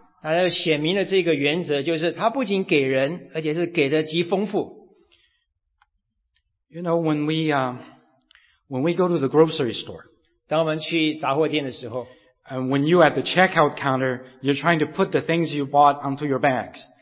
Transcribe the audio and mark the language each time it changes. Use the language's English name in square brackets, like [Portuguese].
[Chinese] 他显明了这个原则，就是他不仅给人，而且是给得极丰富。 [English] You know, when we go to the grocery store, [Chinese] 当我们去杂货店的时候， [English] and when you at the checkout counter, you're trying to put the things you bought onto your bags.